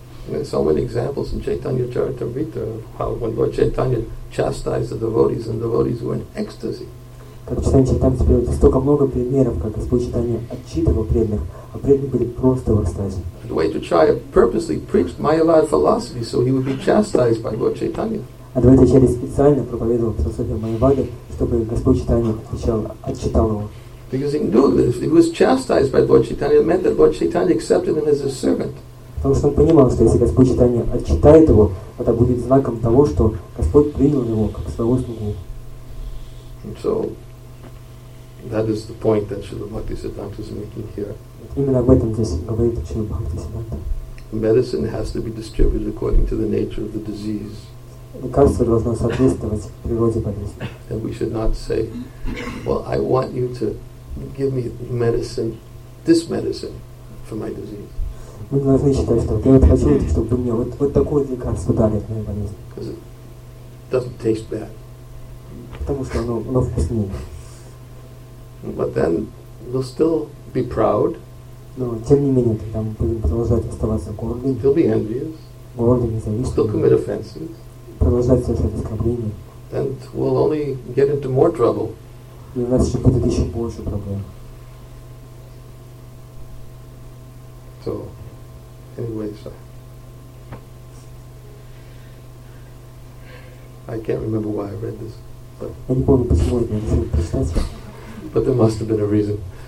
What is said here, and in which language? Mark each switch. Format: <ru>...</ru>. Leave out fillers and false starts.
<en>There are so many examples in Chaitanya Charitamrita of how when Lord Chaitanya chastised the devotees and the devotees were in ecstasy.</en> <ru>Как читаем Чайтанья-Чаритамриту, столько много примеров, как Господь Чайтанья отчитывал преданных, а преданные были просто в экстазе.</ru> <en>The way to try purposely preached Mayavada philosophy so he would be chastised by Lord Chaitanya.</en> <ru>Адвайта Ачарья специально проповедовал философию Майявады, чтобы Господь Чайтанья отчитал его.</ru> <en>Because he knew this, he was chastised by Lord Chaitanya, it meant that Lord Chaitanya accepted him as a servant.</en> <ru>Потому что он понимал, что если Господь Чайтанья отчитает его, это будет знаком того, что Господь принял его как своего слугу.</ru> <en>So that is the point that Śrīla Bhaktisiddhānta is making here.</en> <ru>Именно об этом здесь говорит Śrīla Bhaktisiddhānta.</ru> <en>Medicine has to be distributed according to the nature of the disease.</en> <ru>Лекарство должно соответствовать природе болезни.</ru> <en>And we should not say, well, I want you to give me medicine, this medicine for my disease.</en> <ru>Мы должны считать, что я хочу, чтобы вы мне вот такое лекарство дали от моей болезни.</ru> <en>Because it doesn't taste bad.</en> <ru>Потому что оно вкуснее.</ru> <en>But then we'll still be proud.</en> <ru>Но тем не менее, тогда мы будем продолжать оставаться гордыми.</ru> <en>Still be envious.</en> <ru>Гордыми, завистливыми.</ru> <en>Still commit offenses.</en> <ru>Продолжать совершать оскорбления.</ru> <en>then we'll only get into more trouble.</en> <ru>И у нас еще будет еще больше проблем.</ru> <en>So, anyways, I can't remember why I read this, but but there must have been a reason.</en>